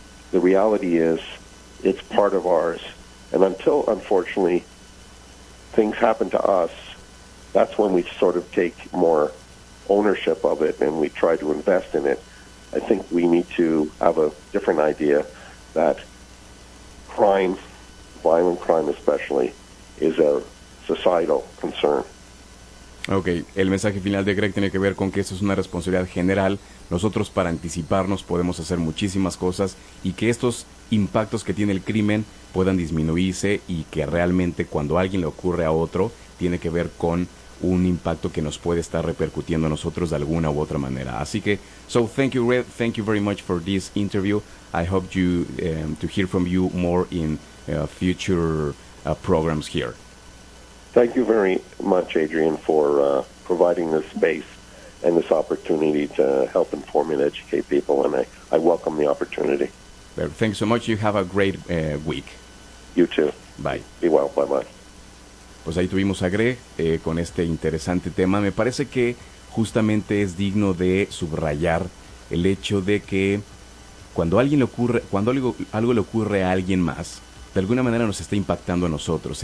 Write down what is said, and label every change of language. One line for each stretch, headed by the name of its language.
English: The reality is, it's part of ours. And until, unfortunately, things happen to us, that's when we sort of take more ownership of it and we try to invest in it. I think we need to have a different idea that crime, violent crime especially, is a societal concern.
Spanish: Ok, el mensaje final de Greg tiene que ver con que eso es una responsabilidad general. Nosotros, para anticiparnos, podemos hacer muchísimas cosas y que estos impactos que tiene el crimen puedan disminuirse, y que realmente cuando alguien le ocurre a otro, tiene que ver con un impacto que nos puede estar repercutiendo a nosotros de alguna u otra manera. Así que,
English: so thank you, Red. Thank you very much for this interview. I hope you to hear from you more in future programs here. Thank you very much, Adrian, for providing this space and this opportunity to help inform and educate people, and I welcome the opportunity. Thanks so much. You have a great week. You too. Bye. Be well. Bye-bye.
Spanish: Pues ahí tuvimos a Greg con este interesante tema. Me parece que justamente es digno de subrayar el hecho de que cuando algo le ocurre a alguien más, de alguna manera nos está impactando a nosotros.